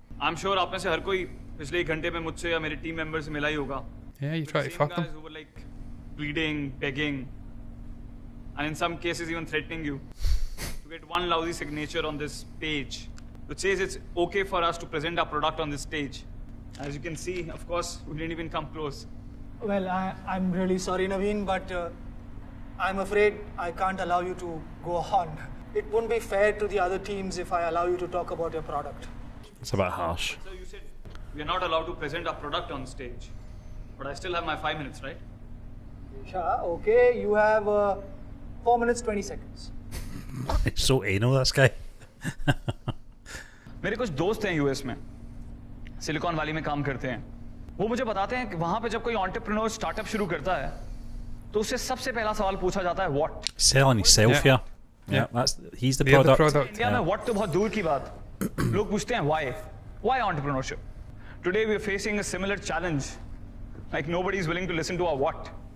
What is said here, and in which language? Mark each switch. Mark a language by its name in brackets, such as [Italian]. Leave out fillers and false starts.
[English] I'm sure [Hindi] आपने से हर कोई पिछले एक घंटे में मुझसे या मेरे team members से मिला ही होगा. [English] Yeah, you tried to fuck them. Guys who were like pleading, begging, and in some cases even threatening you to get one lousy signature on this page, which says it's okay for us to present our product on this stage. As you can see, of course, we didn't even come close. Well, I'm really sorry, Naveen, but I'm afraid I can't allow you to go on. It wouldn't be fair to the other teams if I allow you to talk about your product. It's a bit harsh. But sir, you said we are not allowed to present our product on stage. But I still have my 5 minutes, right? Yeah, okay. You have 4 minutes, 20 seconds. It's so anal, this guy. [Hindi] मेरे कुछ दोस्त हैं US में silicon valley में काम करते हैं वो मुझे बताते हैं कि वहां पे जब कोई एंटरप्रेन्योर स्टार्टअप शुरू करता है तो उससे सबसे पहला सवाल पूछा जाता है व्हाट [English] Selling self या Yeah, that's he's the product. [Hindi] India में व्हाट तो बहुत दूर की बात लोग पूछते हैं why entrepreneurship [English] Today we are facing a similar challenge Like nobody is willing to listen to our what.